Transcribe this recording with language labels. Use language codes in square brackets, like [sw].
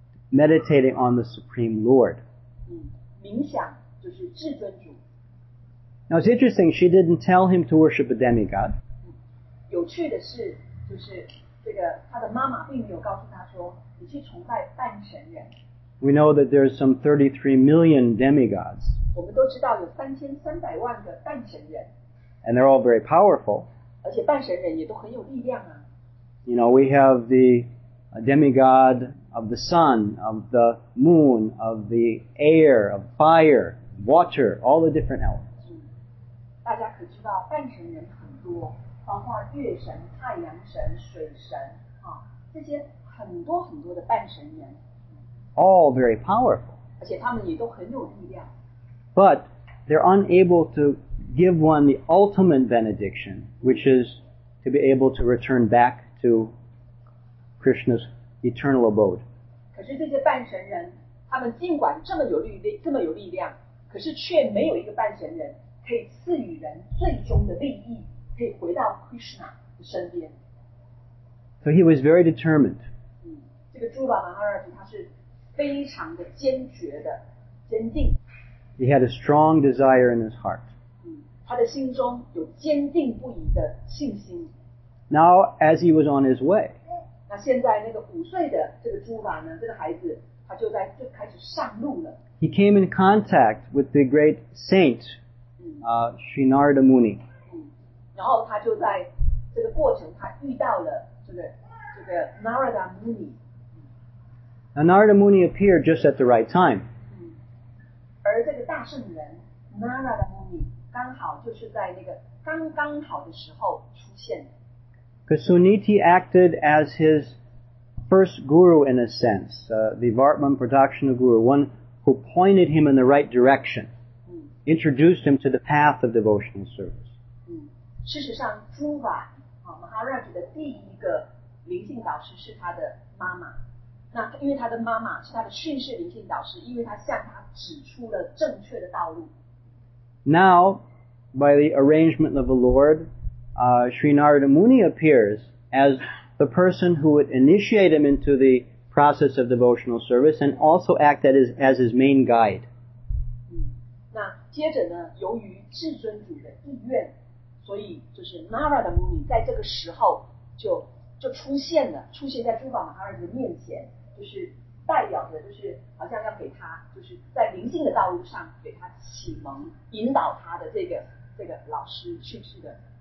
[en] Meditating on the Supreme Lord. [zh] 冥想就是至尊主。 [en] Now it's interesting, she didn't tell him to worship a demigod. [zh] 有趣的是，就是这个他的妈妈并没有告诉他说，你去崇拜半神人。 [en] We know that there are some 33 million demigods. [zh] 我们都知道有3300万个半神人。 [en] And they're all very powerful. [zh] 而且半神人也都很有力量啊。 [en] You know, we have the demigod of the sun, of the moon, of the air, of fire, water, all the different elements. [zh] 大家可知道半神人很多，包括月神、太阳神、水神，这些很多很多的半神人。 [en] All very powerful. [zh] 而且他们也都很有力量。 [en] But they're unable to give one the ultimate benediction, which is to be able to return back to Krishna's eternal abode. [zh] 可是这些半神人，他们尽管这么有力量，这么有力量，可是却没有一个半神人可以赐予人最终的利益，可以回到 Krishna 的身边。 [en] So he was very determined. [zh] 这这个朱巴马哈拉吉他是非常的坚决的坚定。 [en] He had a strong desire in his heart. [zh] 他的心中有坚定不移的信心。 [en] Now, as he was on his way, [zh] 那现在那个五岁的这个朱巴呢，这个孩子他就在就开始上路了。 [en] He came in contact with the great saint, Sri Narada Muni. [zh] 然后他就在这个过程，他遇到了这个 Narada Muni. [en] Now, Narada Muni appeared just at the right time. [zh] 而这个大圣人 Narada Muni 刚好就是在那个刚刚好的时候出现。 [en] Because Suniti acted as his first guru in a sense, the Vartman Pradakshina Guru, one who pointed him in the right direction, introduced him to the path of devotional service. [zh] 事实上朱瓦马哈拉吉的第一个灵性导师是他的妈妈。那因为他的妈妈是他的训示灵性导师，因为他向他指出了正确的道路。 [en] Now, by the arrangement of the Lord, Sri Narada Muni appears as the person who would initiate him into the process of devotional service and also act as his main guide. [zh] 那接着呢，由于至尊主的意愿，所以就是 Narada Muni 在这个时候就出现了，出现在朱巴马哈拉吉的面前，就是代表的，就是好像要给他，就是在灵性的道路上给他启蒙、引导他的这个老师，是不是的？